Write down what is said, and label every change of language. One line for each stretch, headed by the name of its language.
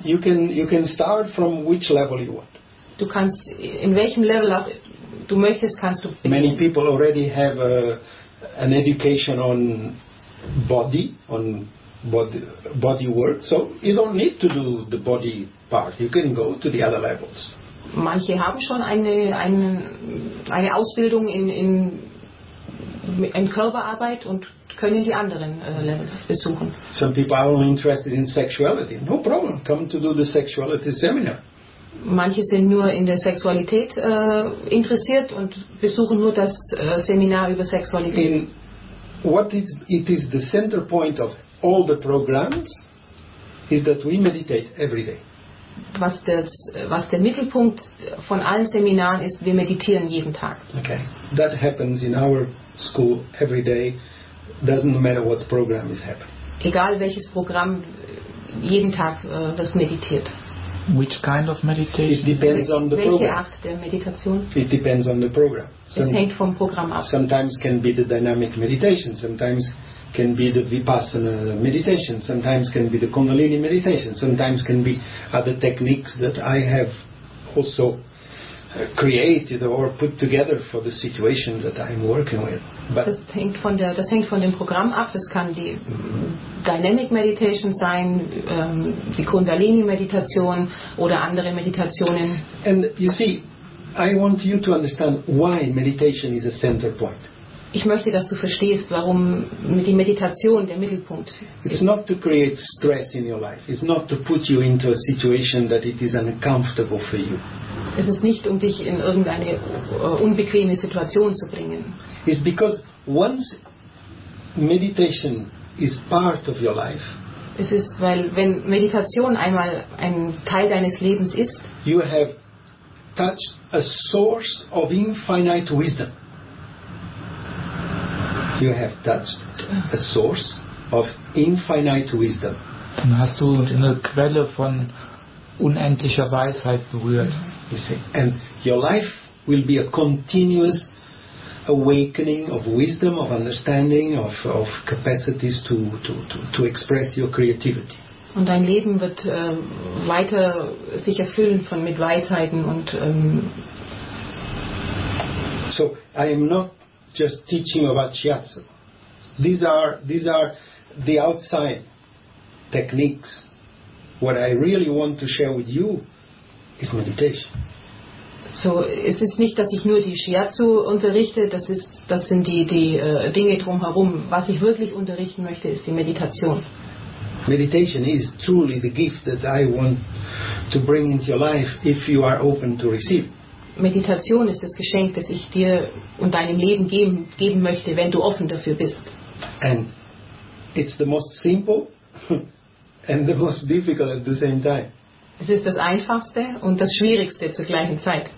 English: You can start from which level you want.
German: Du kannst in welchem Level auch du möchtest, kannst du beginnen.
English: Many people already have an education on body, body work, so you don't need to do the body part. You can go to the other levels.
German: Manche haben schon eine Ausbildung in Körperarbeit und können die anderen Levels besuchen.
English: Some people are only interested in sexuality. No problem. Come to do the sexuality seminar.
German: Manche sind nur in der Sexualität interessiert und besuchen nur das Seminar über Sexualität.
English: In what it is the center point of all the programs is that we meditate every day.
German: Was der Mittelpunkt von allen Seminaren ist, wir meditieren jeden Tag.
English: Okay, that happens in our school every day. Doesn't matter what program is happening.
German: Egal welches Programm, jeden Tag wird meditiert.
English: Which kind of meditation? It depends on the
German: welche
English: program.
German: Art der Meditation?
English: It depends on the program.
German: Es hängt vom Programm ab.
English: Sometimes can be the dynamic meditation. Sometimes can be the Vipassana meditation. Sometimes can be the Kundalini meditation. Sometimes can be other techniques that I have also created or put together for the situation that I'm working with. But
German: das hängt von dem Programm ab. Das kann die Dynamic Meditation sein, die Kundalini Meditation oder andere Meditationen.
English: And you see, I want you to understand why meditation is a center point.
German: Ich möchte, dass du verstehst, warum die Meditation der Mittelpunkt ist.
English: It's not to create stress in your life. It's not to put you into a situation that it is uncomfortable for you.
German: Es ist nicht, um dich in irgendeine unbequeme Situation zu bringen.
English: It's because once meditation is part of your life.
German: Es ist, weil wenn Meditation einmal ein Teil deines Lebens ist,
English: you have touched a source of infinite wisdom. You have touched a source of infinite wisdom.
German: Dann hast du eine Quelle von unendlicher Weisheit berührt.
English: You see, and your life will be a continuous awakening of wisdom, of understanding, of capacities to express your creativity.
German: Und dein Leben wird weiter sich erfüllen von mit Weisheiten und.
English: So I am not just teaching about shiatsu. These are the outside techniques. What I really want to share with you is meditation.
German: So, es ist nicht, dass ich nur die Shiatsu unterrichte, das sind die Dinge drumherum. Was ich wirklich unterrichten möchte, ist die Meditation.
English: Meditation is truly the gift that I want to bring into your life if you are open to receive.
German: Meditation ist das Geschenk, das ich dir und deinem Leben geben möchte, wenn du offen dafür bist.
English: And it's the most simple and the most difficult at the same time.
German: Es ist das Einfachste und das Schwierigste zur gleichen Zeit.